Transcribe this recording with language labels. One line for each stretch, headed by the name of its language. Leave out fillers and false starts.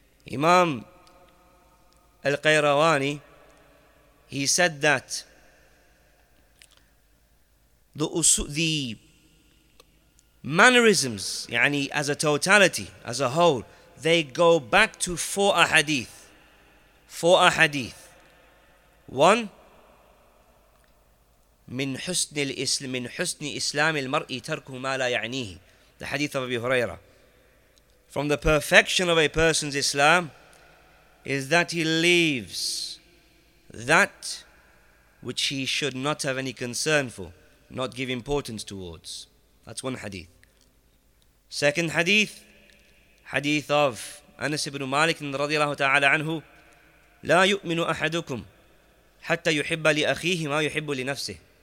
English: Imam Al-Qayrawani, he said that the mannerisms, yani as a totality, as a whole, they go back to four ahadith. Four ahadith.
Arabic: One, من حسن إسلام المرء تركه ما لا يعنيه.
English: The hadith of Abu Huraira. From the perfection of a person's Islam is that he leaves that which he should not have any concern for, not give importance towards. That's one hadith. Second hadith, hadith of Anas ibn Malik radiallahu ta'ala anhu,
Arabic: لا يؤمن أحدكم حتى يحب لأخيه ما يحب لنفسه.